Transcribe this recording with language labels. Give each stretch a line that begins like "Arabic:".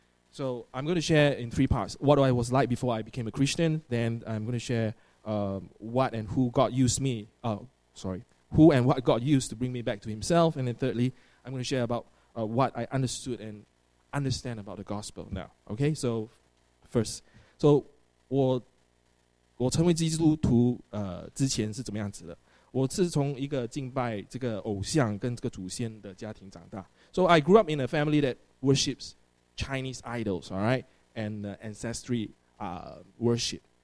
English: So I'm going to share in three parts. What I was like before I became a Christian. Then I'm going to share what and who God used me. Who and what God used to bring me back to himself. And then thirdly, I'm going to share about what I understood and understand about the gospel now. Okay, so first.
Chinese: So 我成为基督徒之前是怎么样子的？我是从一个敬拜这个偶像跟这个祖先的家庭长大。
English: So I grew up in a family that worships Chinese idols, all right, and ancestry worship.